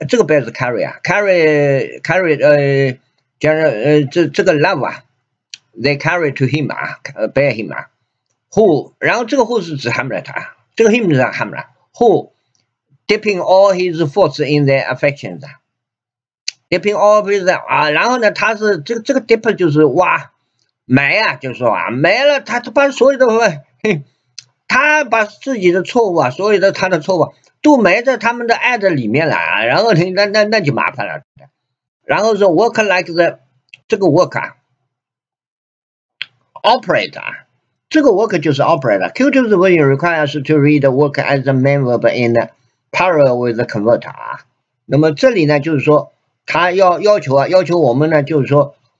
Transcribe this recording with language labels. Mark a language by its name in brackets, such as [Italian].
[Chinese] 这个 [English] bear 是 carry 啊 ，carry general 这个 love 啊 ，they carry to him 啊 ，bear him 啊。 [Chinese] Who 然后这个 who 是指 Hamlet 啊，这个 him 是 Hamlet。 [English] Who dipping all his force in their affections 啊 ，dipping all his 啊， [Chinese] 然后呢，他是这个 [English] dip 就是挖。 [Chinese] 埋啊，就是说啊，埋了他把所有的，他把自己的错误啊，所有的他的错误都埋在他们的爱的里面了啊，然后那就麻烦了。然后说 [English] work like the [Chinese] 这个 work 啊 ，operate 啊，这个 work 就是 operate 啊。 [English] Q2's version requires to read work as a main verb in parallel with the converter 啊。 [Chinese] 那么这里呢，就是说他要求啊，要求我们呢，就是说。